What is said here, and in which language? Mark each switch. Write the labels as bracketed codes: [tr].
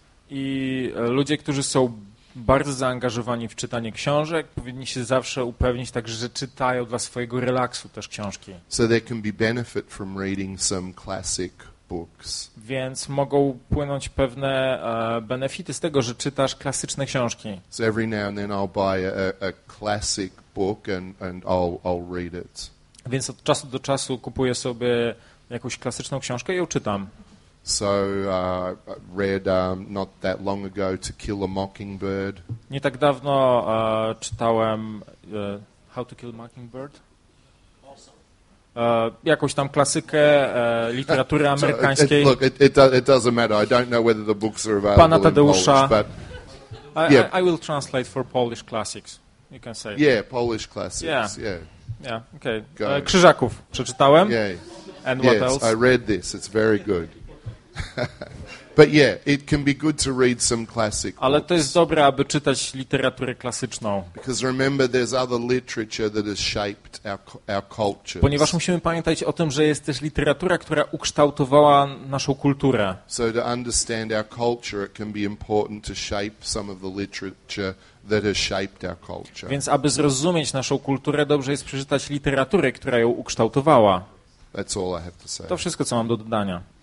[pl] I ludzie, którzy są bardzo zaangażowani w czytanie książek, powinni się zawsze upewnić także, że czytają dla swojego relaksu też książki. [en] So there can be benefit from reading some classic books. [pl] Więc mogą płynąć pewne benefity z tego, że czytasz klasyczne książki. [en] So every now and then I'll buy a classic book and I'll read it. [pl] Więc od czasu do czasu kupuję sobie jakąś klasyczną książkę i ją czytam. [en] So read not that long ago To Kill a Mockingbird. [pl] Nie tak dawno czytałem How to Kill a Mockingbird. Awesome. Jakąś tam klasykę literatury amerykańskiej. [en] Look, it doesn't matter. I don't know whether the books are available [pl] Pana Tadeusza. [en] In Polish, but yeah. I will translate for Polish classics. You can say. Yeah, Polish classics. Yeah. Yeah. Okay. [pl] Krzyżaków przeczytałem. [en] Yeah. And what else? I read this. It's very good. But yeah, it can be good to read some classic books. [pl] Ale to jest dobre, aby czytać literaturę klasyczną. [en] Because remember, there's other literature that has shaped our culture. [pl] Ponieważ musimy pamiętać o tym, że jest też literatura, która ukształtowała naszą kulturę. [en] So to understand our culture, it can be important to shape some of the literature that has shaped our culture. [pl] Więc aby zrozumieć naszą kulturę, dobrze jest przeczytać literaturę, która ją ukształtowała. [en] That's all I have to say. [pl] To wszystko, co mam do dodania.